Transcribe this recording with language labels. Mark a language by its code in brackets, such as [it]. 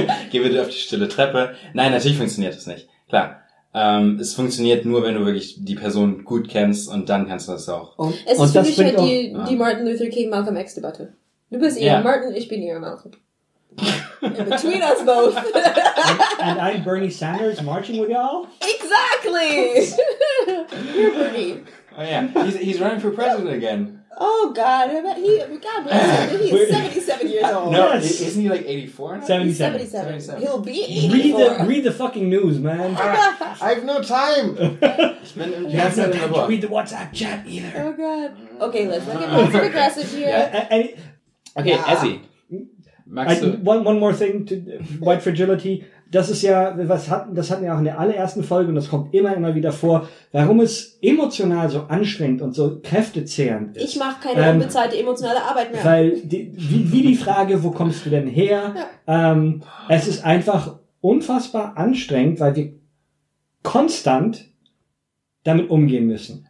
[de] geh bitte auf die stille Treppe. Nein, natürlich funktioniert das nicht. Klar. Es funktioniert nur, wenn du wirklich die Person gut kennst und dann kannst du das auch. Oh. Es ist für mich halt die Martin Luther King Malcolm X Debatte. Du bist ihr Martin, ich bin ihr Malcolm. [en] In between us both. And I'm Bernie Sanders marching with y'all? Exactly! You're Bernie. Oh yeah, he's running for president again. Oh God, God bless him. He's 77 years old. No, yes. Isn't he like 84? 77. He'll be 84. Read the fucking news, man. I have no time. Read the WhatsApp chat either. Oh God. Okay, let's get aggressive here. Ezzy. One more thing to White Fragility. [de] Das ist ja, das hatten wir auch in der allerersten Folge und das kommt immer wieder vor, warum es emotional so anstrengend und so kräftezehrend ist. Ich mache keine unbezahlte emotionale Arbeit mehr. Weil die Frage, wo kommst du denn her? Ja. Es ist einfach unfassbar anstrengend, weil wir konstant damit umgehen müssen.